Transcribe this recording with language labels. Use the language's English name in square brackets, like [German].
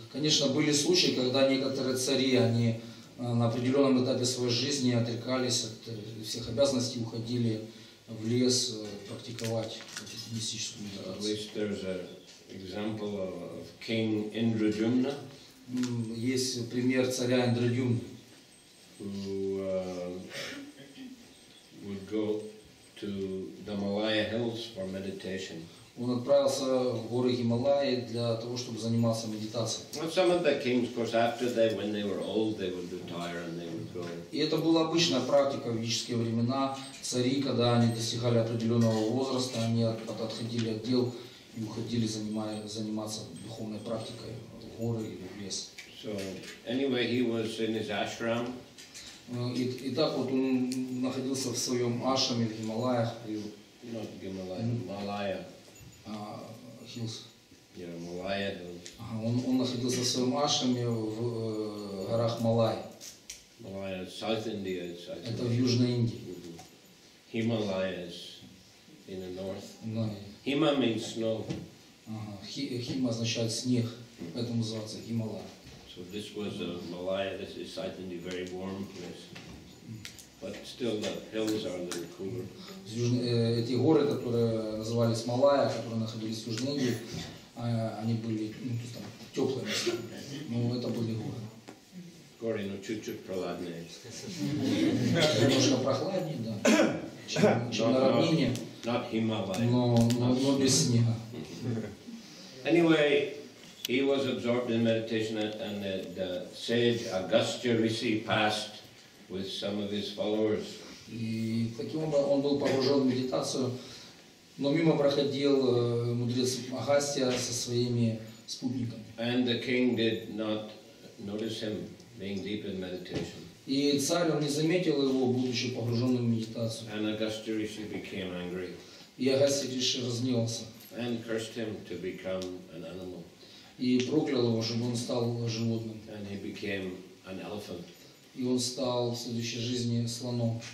[Russian] Конечно, были случаи, когда некоторые цари, они на определенном этапе своей жизни отрекались от всех обязанностей, уходили в лес практиковать мистическую медитацию. [English] At least there's an example of King Indrajumna. [Russian] Есть пример царя Индрадюмны. [English] Who would go to the Himalaya hills for meditation. [Russian] Он отправился в горы Гималаи для того, чтобы заниматься медитацией. [English] Well, some of the kings, of course, after they, when they were old, they would retire and they would go. [Russian] И это была обычная практика в ведические времена. Цари, когда они достигали определенного возраста, они отходили от дел и уходили заниматься духовной практикой в горы или в лес. [English] So, anyway, he was in his ashram. [Russian] И так вот он находился в своем ашраме в Гималаях. Not Гималаях, Малая. [English] Hills. Yeah, Malaya hills. [Russian] Он находился в своем ашраме в горах Малай. [English] Малая, South India, South India. [Russian] Это в Южной Индии. [English] Himalayas in the north. No. Hima means snow. [Russian] Hima означает снег, поэтому называется Гималая. [English] So this was a Malaya, this is South India, very warm place. But still the hills are a little cooler. [Russian] Эти горы, которые назывались Малая, которые находились в Южной Индии, они были там теплые места. Но это были горы. Горы, но чуть-чуть прохладнее. Немножко прохладнее, да. Чем на равнине. [English] Not Himalaya. [Russian] Но без снега. [English] Anyway, he was absorbed in meditation and the sage Agastya Rishi passed with some of his followers. [Russian] И таким образом он был погружен в медитацию, Но мимо проходил мудрец Агастья со своими спутниками. [English] And the king did not notice him being deep in meditation. [Russian] И царь не заметил его, будучи погруженным в медитацию. [English] And Agastya Rishi became angry. [Russian] И Агастья Риши разгневался. [English] And cursed him to become an animal. [Russian] И проклял его, чтобы он стал животным. [English] And he became an elephant. [Russian] И он стал в следующей жизни слоном.